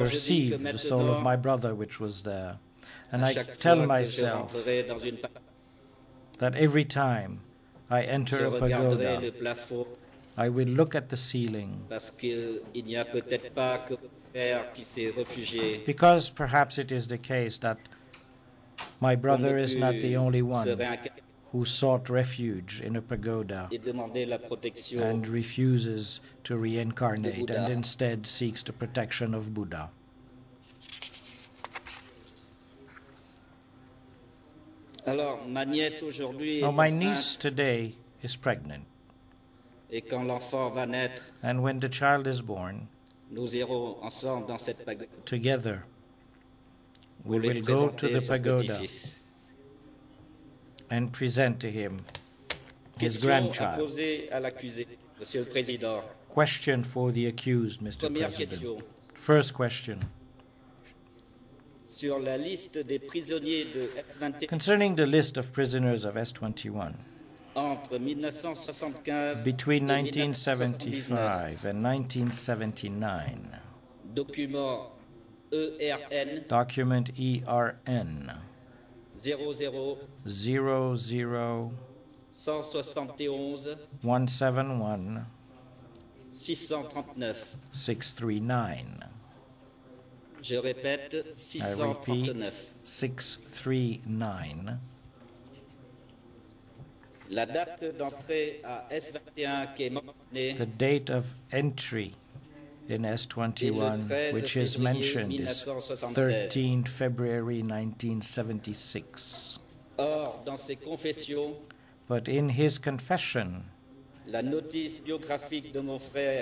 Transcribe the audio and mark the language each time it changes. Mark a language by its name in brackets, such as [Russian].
[English] perceive the soul of my brother, which was there. And I tell myself that every time I enter a pagoda, [French] le plafond, [English] I will look at the ceiling. [French] Parce qu'il n'y a peut-être pas que [English] because perhaps it is the case that my brother is not the only one who sought refuge in a pagoda and refuses to reincarnate and instead seeks the protection of Buddha. [French] Alors, ma nièce aujourd'hui [English] now, my niece today is pregnant. [French] Et quand l'enfant va naître, [English] and when the child is born, [French] nous irons ensemble dans cette pagoda. [English] Together, we will go to the pagoda and present to him his grandchild. [French] Question à poser à l'accusé, Monsieur le Président. [English] Question for the accused, Mr. [French] Première [English] President. [French] Question. [English] First question. [French] Sur la liste des prisonniers de S21. [English] Concerning the list of prisoners of S21. [French] Entre 1975 [English] between 1975 and 1979, [French] document ERN, [English] document ERN 00 171 671 639. [French] Je répète, 639. La date d'entrée à S21 qui est mentionnée. [English] The date of entry in S21, which is mentioned, is 13 February 1976. [French] Or, dans ses confessions, [English] but in his confession, [French] la notice biographique de mon frère,